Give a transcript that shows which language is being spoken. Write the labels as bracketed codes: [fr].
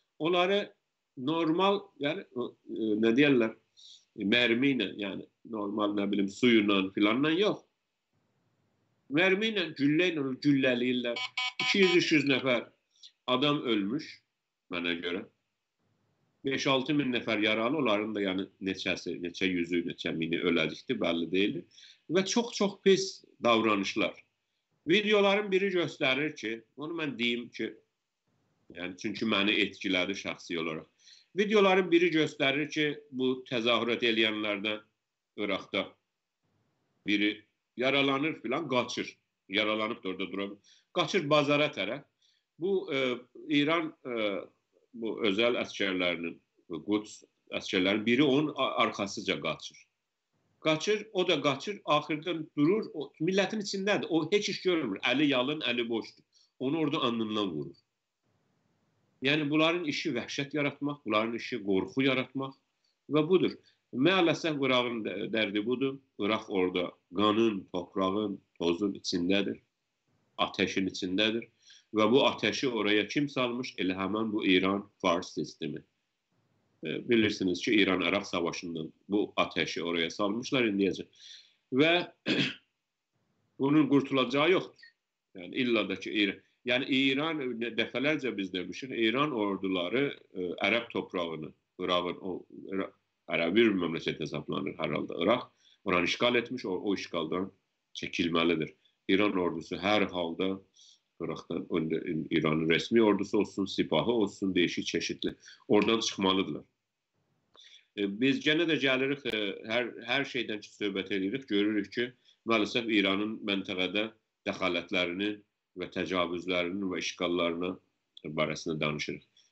[tr] Onları normal yani ne diyorlar? Mermiyle yani normal ne bileyim suyla filanla yok. Mermiyle, gülleyle, gülleliyirler. [az] 200-300 nəfər adam ölmüş mənə görə. 5-6 min nəfər yaralı, onların da yəni neçəsi, neçə yüzü, neçə mini öləcikdir, bəlli deyildir. Və çox-çox pis davranışlar. Videoların biri göstərir ki, onu mən deyim ki, yəni çünki məni etkilədi şəxsi olaraq. Videoların biri göstərir ki, bu təzahürat eləyənlərdən Iraqda biri yaralanır filan, qaçır. Yaralanıb da orada durabilir. Qaçır bazara tərəf. Bu İran bu özel əskərlərinin bu Quds əskərlərinin biri onun arxasıca qaçır. Qaçır, o da qaçır, axırdan durur. O, millətin içindədir. O heç iş görmür. Əli yalın, əli boşdur. Onu orada anından vurur. Yəni bunların işi vəhşət yaratmaq, bunların işi qorxu yaratmaq və budur. [tr] Maalesef Irak'ın derdi budur. Irak orada kanın, toprağın, tozun içindedir. Ateşin içindedir. Ve bu ateşi oraya kim salmış? El hemen bu İran Fars sistemi. Bilirsiniz ki İran-Irak savaşından bu ateşi oraya salmışlar indiyecek. Ve bunun kurtulacağı yoktur. Yani illa da ki İran. Yani İran, defalarca biz demişiz, İran orduları Arap toprağını, Irak'ın o Irak, [az] Ərəbi bir memleket hesablanır [tr] herhalde. Irak oranı işgal etmiş, o işgaldan çekilmelidir. İran ordusu her halde Irak'tan, İran'ın resmi ordusu olsun, sipahı olsun, değişik çeşitli oradan çıkmalıdırlar. [az] Biz gene de gəlirik, her şeyden söhbət edirik, görürük ki, maalesef İran'ın məntəqədə dəxalətlərinin və təcavüzlərinin və işgallarına barəsində danışırıq.